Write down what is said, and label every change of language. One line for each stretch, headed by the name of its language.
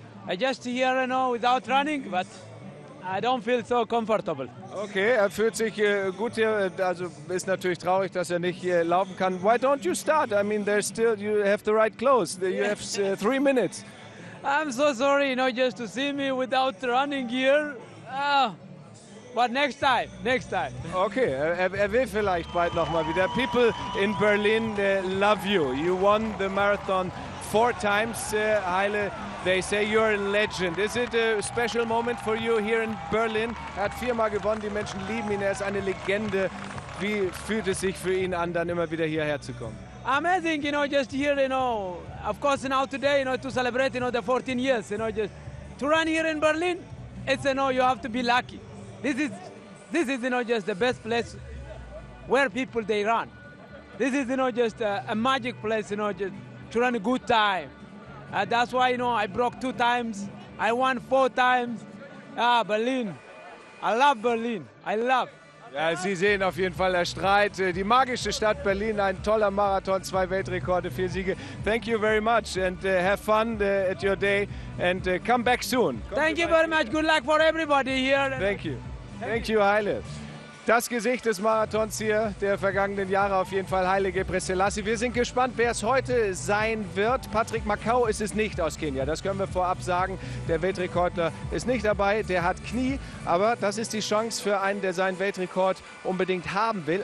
English: I just here, you know, without running, but I don't feel so comfortable.
German: Okay, er fühlt sich gut hier. Also ist natürlich traurig, dass er nicht laufen kann.
English: Why don't you start? I mean, there's still, you have the right clothes. You have 3 minutes. I'm so sorry, you know, just to see me without running here. But next time.
German: Okay, er will vielleicht bald nochmal wieder.
English: People in Berlin love you. You won the marathon 4 times, Haile, they say you're a legend. Is it a special moment for you here in Berlin?
German: Er hat 4-mal gewonnen, die Menschen lieben ihn, er ist eine Legende. Wie fühlt es sich für ihn an, dann immer wieder hierher zu kommen?
English: Amazing, you know, just here, you know, of course now today, you know, to celebrate, you know, the 14 years, you know, just to run here in Berlin, it's, you know, you have to be lucky. This is, you know, just the best place where people, they run. This is, you know, just a magic place, you know, just to run a good time. That's why, you know, I broke 2 times. I won 4 times. Ah, Berlin. I love Berlin. I love.
German: Ja, Sie sehen auf jeden Fall, der Streit. Die magische Stadt Berlin, ein toller Marathon, 2 Weltrekorde, 4 Siege.
English: Thank you very much and have fun at your day and come back soon. Thank you very much. Good luck for everybody here. Thank you. Thank you, Haile.
German: Das Gesicht des Marathons hier der vergangenen Jahre auf jeden Fall, Haile Gebrselassie. Wir sind gespannt, wer es heute sein wird. Patrick Makau ist es nicht aus Kenia, das können wir vorab sagen. Der Weltrekordler ist nicht dabei, der hat Knie. Aber das ist die Chance für einen, der seinen Weltrekord unbedingt haben will.